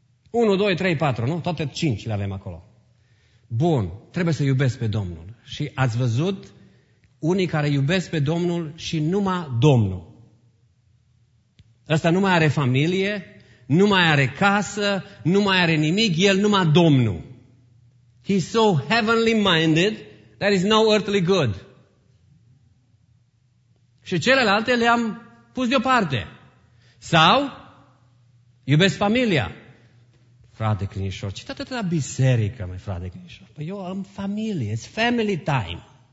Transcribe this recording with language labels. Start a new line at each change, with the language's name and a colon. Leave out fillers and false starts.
Romanian: 1, 2, 3, 4, nu? Toate 5 le avem acolo. Bun, trebuie să iubesc pe Domnul. Și ați văzut unii care iubesc pe Domnul și numai Domnul. Ăsta nu mai are familie, nu mai are casă, nu mai are nimic, el numai Domnul.
English: He's so heavenly minded, that is no earthly good.
Romanian: Și celelalte le-am pus deoparte. Sau, iubesc familia. Frate Crinișor, ce atât la biserică, mai frate Crinișor? Păi eu am familie, it's family time.